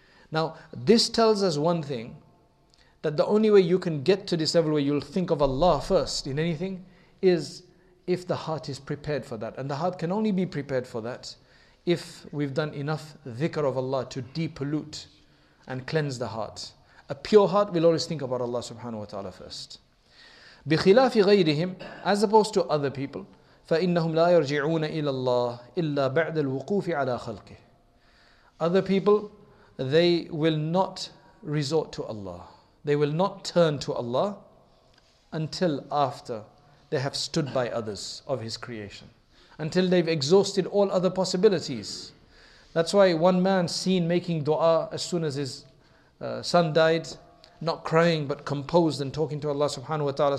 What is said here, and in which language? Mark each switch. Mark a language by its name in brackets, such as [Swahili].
[English] Now this tells us one thing, that the only way you can get to this level where you'll think of Allah first in anything is if the heart is prepared for that. And the heart can only be prepared for that if we've done enough dhikr of Allah to depollute and cleanse the heart. A pure heart will always think about Allah subhanahu wa ta'ala first. [Arabic] بِخِلَافِ غَيْرِهِمْ, [English] as opposed to other people, [Arabic] فَإِنَّهُمْ لَا يَرْجِعُونَ إِلَى اللَّهِ إِلَّا بَعْدَ الْوُقُوفِ عَلَىٰ خَلْقِهِ. [English] Other people, they will not resort to Allah. They will not turn to Allah until after they have stood by others of His creation. Until they've exhausted all other possibilities. That's why one man seen making dua as soon as his son died, not crying but composed and talking to Allah subhanahu wa ta'ala.